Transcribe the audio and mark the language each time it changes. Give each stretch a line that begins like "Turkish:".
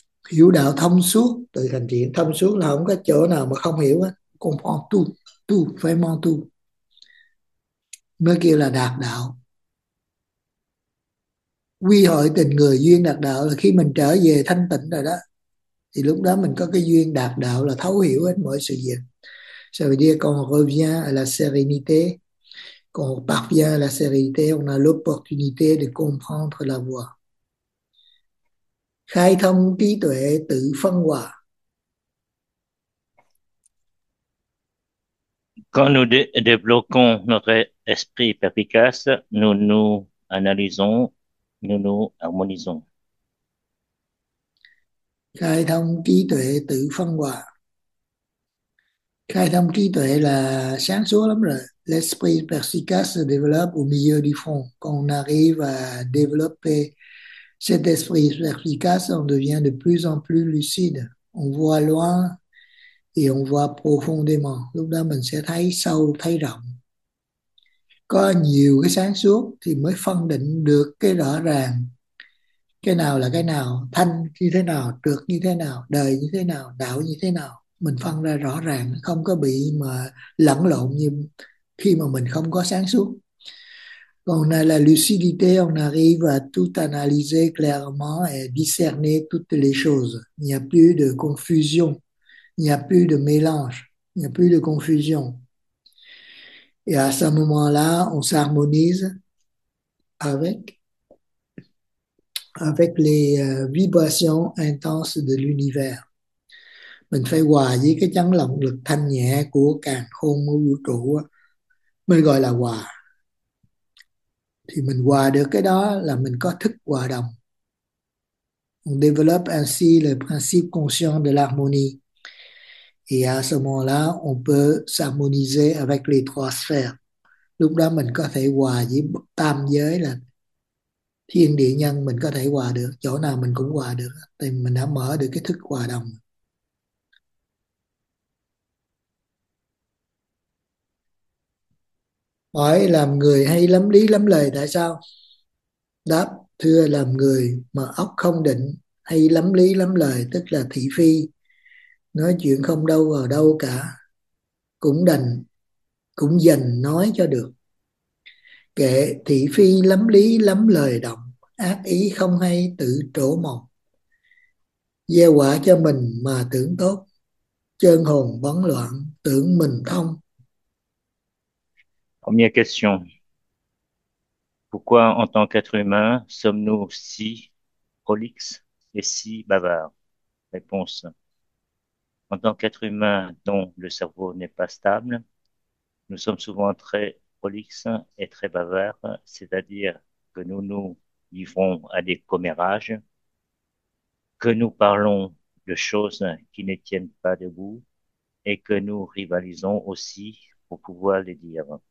Vietnamese: Hiểu đạo thông suốt, tự hành triển. Thông suốt là không có chỗ nào mà không hiểu hết.
French: Comprendre tout, tout, vraiment tout.
Vietnamese: Mới kêu là đạt đạo. Quy hội tình người, duyên đạt đạo là khi mình trở về thanh tịnh rồi đó, thì lúc đó mình có cái duyên đạt đạo là thấu hiểu hết mọi sự việc.
French: Ça veut dire qu'on revient à la sérénité. Quand on parvient à la sérénité, on a l'opportunité de comprendre la voie.
Vietnamese: Khai thông trí tuệ tự phân hòa.
French: Quand nous débloquons notre esprit perspicace, nous nous analysons, nous nous harmonisons.
Vietnamese: Khai thông trí tuệ tự phân hòa. Khai thông trí tuệ là sáng suốt lắm rồi.
French: L'esprit perspicace se développe au milieu du fond. Quand on arrive à développer cet esprit perspicace, on devient de plus en plus lucide. On voit loin et on voit profondément.
Vietnamese: Lúc đó mình sẽ thấy sâu, thấy rộng. Có nhiều cái sáng suốt thì mới phân định được cái rõ ràng. Cái nào là cái nào, thanh như thế nào, trược như thế nào, đời như thế nào, đạo như thế nào. Mình phân ra rõ ràng, không có bị mà lẫn lộn như khi mà mình không có sáng suốt. Còn là
French: lucidité, on arrive à tout analyser clairement et discerner toutes les choses. Il n'y a plus de confusion, il n'y a plus de mélange, il n'y a plus de confusion. Et à ce moment-là, on s'harmonise avec les vibrations intenses de l'univers.
Vietnamese: Mình phải hòa với cái chấn động lực thanh nhẹ của càn khôn của vũ trụ mới gọi là hòa. Thì mình hòa được cái đó là mình có thức hòa đồng.
French: On développe ainsi le principe conscient de l'harmonie. Et à ce moment-là, on peut s'harmoniser avec les trois sphères.
Vietnamese: Lúc đó mình có thể hòa với tam giới là thiên địa nhân, mình có thể hòa được, chỗ nào mình cũng hòa được, thì mình đã mở được cái thức hòa đồng. Hỏi làm người hay lắm lý lắm lời tại sao? Đáp, thưa làm người mà óc không định hay lắm lý lắm lời, tức là thị phi, nói chuyện không đâu vào đâu cả, cũng dành nói cho được. Kệ thị phi lắm lý lắm lời động, ác ý không hay tự trổ mọc. Gieo quả cho mình mà tưởng tốt, chơn hồn bấn loạn tưởng mình thông.
French: Première question. Pourquoi, en tant qu'être humain, sommes-nous si prolixes et si bavards? Réponse. En tant qu'être humain dont le cerveau n'est pas stable, nous sommes souvent très prolixes et très bavards, c'est-à-dire que nous nous livrons à des commérages, que nous parlons de choses qui ne tiennent pas debout et que nous rivalisons aussi pour pouvoir les dire.